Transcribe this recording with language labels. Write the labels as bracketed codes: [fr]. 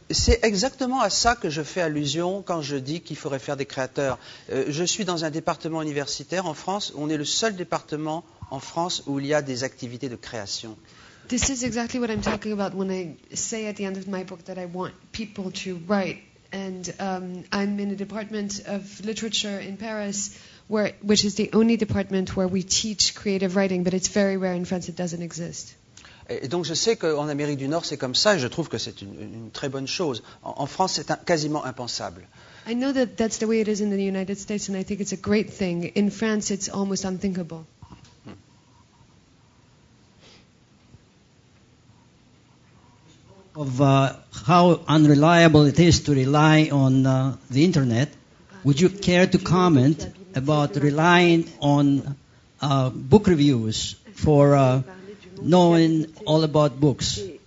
[fr] C'est exactement à ça que je fais allusion quand je dis qu'il faudrait faire des créateurs. Je suis dans un département universitaire en France. On est le seul département en France où il y a des activités de création. [en] This is exactly what I'm talking about when I say at the end of my book that I want people to write. And I'm in a department of literature in Paris, which is the only department where we teach creative writing, but it's very rare in France, it doesn't exist. [fr] Et donc je sais qu'en Amérique du Nord c'est comme ça, et je trouve que c'est une très bonne chose. En France c'est quasiment impensable. [en] I know that that's the way it is in the United States, and I think it's a great thing. In France it's almost unthinkable. Of how unreliable it is to rely on the internet, would you care to comment about relying on book reviews for knowing all about books?